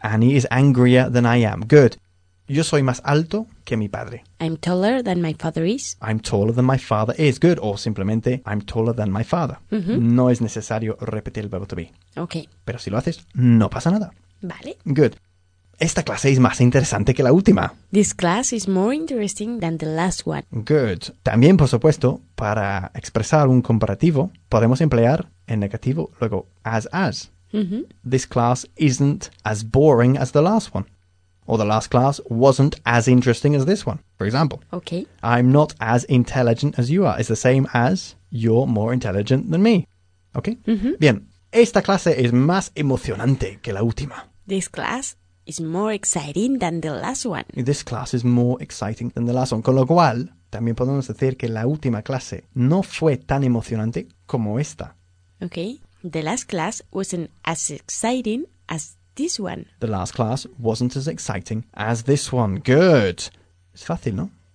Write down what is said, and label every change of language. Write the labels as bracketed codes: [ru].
[en] Annie is angrier than I am. Good. [es] Yo soy más alto que mi padre. [en] I'm taller than my father is. I'm taller than my father is. Good. [es] O simplemente, [en] I'm taller than my father. [es] No es necesario repetir el verbo to be. [en] Ok. [es] Pero si lo haces, no pasa nada. Vale. [en] Good. [es] Esta clase es más interesante que la última. [en] This class is more interesting than the last one. Good. [es] También, por supuesto, para expresar un comparativo, podemos emplear en negativo luego as. [en] This class isn't as boring as the last one. Or the last class wasn't as interesting as this one, for example. Okay. I'm not as intelligent as you are. It's the same as you're more intelligent than me. Okay? [es] Bien. Esta clase es más emocionante que la última. [en] This class is more exciting than the last one. This class is more exciting than the last one. [es] Con lo cual, también podemos decir que la última clase no fue tan emocionante como esta. [en] Okay. The last class wasn't as exciting as this one. The last class wasn't as exciting as this one. Good. [es] Es fácil, ¿no?